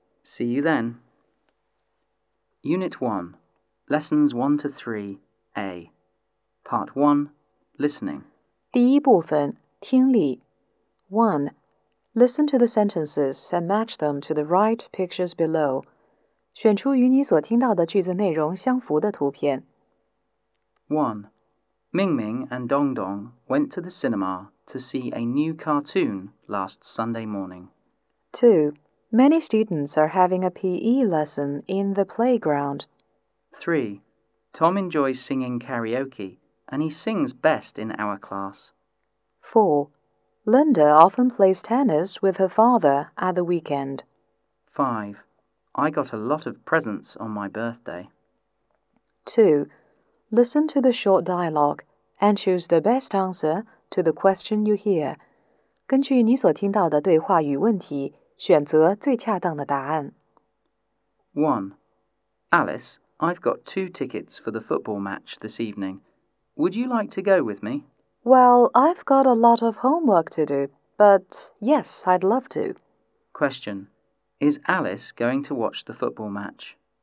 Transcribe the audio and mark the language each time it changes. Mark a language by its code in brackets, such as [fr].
[en] See you then. Unit 1. Lessons 1 to 3. A. Part 1. Listening. [zh] 第一部分,听力。 [en] 1. Listen to the sentences and match them to the right pictures below. [zh] 选出与你所听到的句子内容相符的图片。 [en] 1. Ming Ming and Dong Dong went to the cinema to see a new cartoon last Sunday morning. 2. Many students are having a PE lesson in the playground. 3. Tom enjoys singing karaoke, and he sings best in our class. 4. Linda often plays tennis with her father at the weekend. 5. I got a lot of presents on my birthday. 2. Listen to the short dialogue and choose the best answer to the question you hear. [zh] 根据你所听到的对话与问题，选择最恰当的答案。 [en] 1. Alice, I've got 2 tickets for the football match this evening. Would you like to go with me? Well, I've got a lot of homework to do, but yes, I'd love to. Question. Is Alice going to watch the football match?